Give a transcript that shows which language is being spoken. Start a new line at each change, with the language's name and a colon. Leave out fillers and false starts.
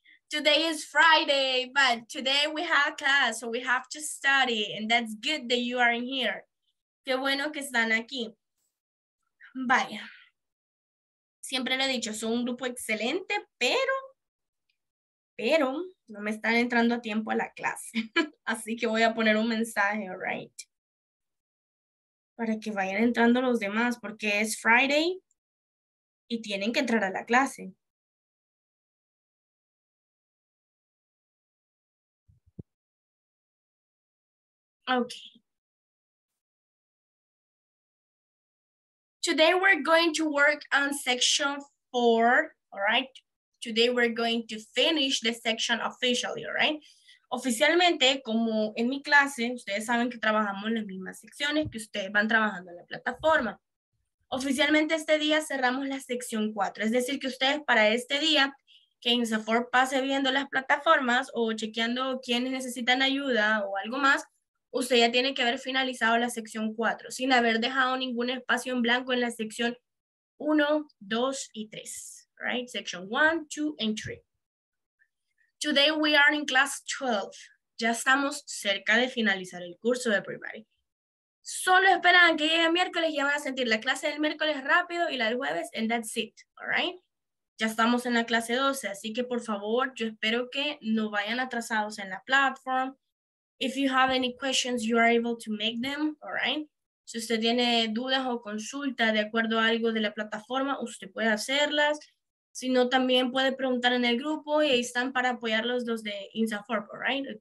English: Today is Friday, but today we have class, so we have to study, and that's good that you are here.
Spanish: Qué bueno que están aquí. Vaya. Siempre lo he dicho, son un grupo excelente, pero no me están entrando a tiempo a la clase. Así que voy a poner un mensaje,
English: all right?
Spanish: Para que vayan entrando los demás, porque es Friday y tienen que entrar a la clase. Okay.
English: Today we're going to work on section 4, all right? Today we're going to finish the section officially, all right?
Spanish: Oficialmente, como en mi clase, ustedes saben que trabajamos en las mismas secciones que ustedes van trabajando en la plataforma. Oficialmente este día cerramos la sección 4, es decir, que ustedes para este día, que INSAFORP pase viendo las plataformas o chequeando quiénes necesitan ayuda o algo más, usted ya tiene que haber finalizado la sección 4 sin haber dejado ningún espacio en blanco en la sección 1, 2 y 3, right?
English: Section 1, 2 and 3. Today we are in class 12.
Spanish: Ya estamos cerca de finalizar el curso, everybody. Solo esperan que llegue miércoles y ya van a sentir la clase del miércoles rápido y la del jueves,
English: and that's it, all right?
Spanish: Ya estamos en la clase 12, así que por favor, yo espero que no vayan atrasados en la plataforma.
English: If you have any questions, you are able to make them, all right?
Spanish: Si usted tiene dudas o consultas de acuerdo a algo de la plataforma, usted puede hacerlas. Si no, también puede preguntar en el grupo y ahí están para apoyarlos los de INSAFORP, all right?